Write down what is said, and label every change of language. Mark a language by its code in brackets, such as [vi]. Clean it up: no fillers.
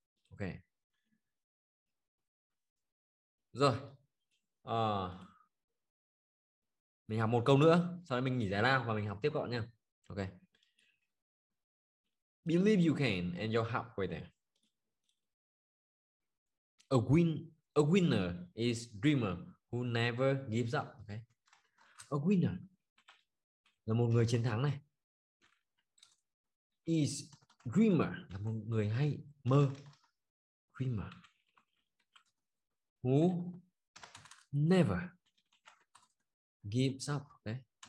[vi] Ok, rồi mình học một câu nữa sau đó mình nghỉ giải lao và mình học tiếp các bạn nha. [en] Ok, believe you can and you're halfway there. A winner is a dreamer who never gives up. [vi] Ok, a winner là một người chiến thắng này. Is dreamer là một người hay mơ. [en] Dreamer who never gives up. Okay.